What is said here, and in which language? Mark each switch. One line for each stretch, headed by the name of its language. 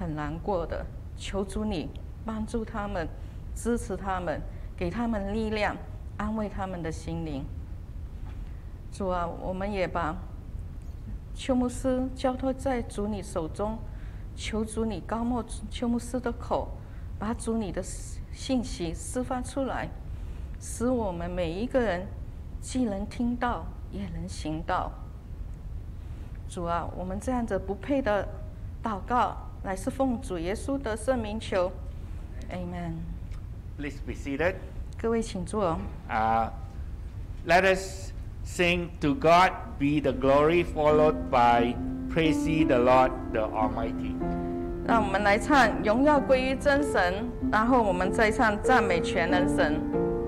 Chinese: 主啊，我们感谢你。主啊，我们在我们弟兄姐妹当中也有身体软弱的，求主你医治他们，也求主你安慰他们的家人，赐他们家人都有力量，因为家里头有人病了，我们家人的话都是很担心、很难过的，求主你帮助他们。支持他们，给他们力量，安慰他们的心灵。主啊，我们也把邱牧师交托在主你手中，求主你高牧邱牧师的口，把主你的信息释放出来，使我们每一个人既能听到也能行道。主啊，我们这样子不配的祷告，乃是奉主耶稣的圣名求 ，Amen。
English: Please be seated.
Chinese: 各位请坐。
English: Let us sing, "To God be the glory," followed by "Praise the Lord, the Almighty."
Chinese: 让我们来唱《荣耀归于真神》，然后我们再唱《赞美全能神》。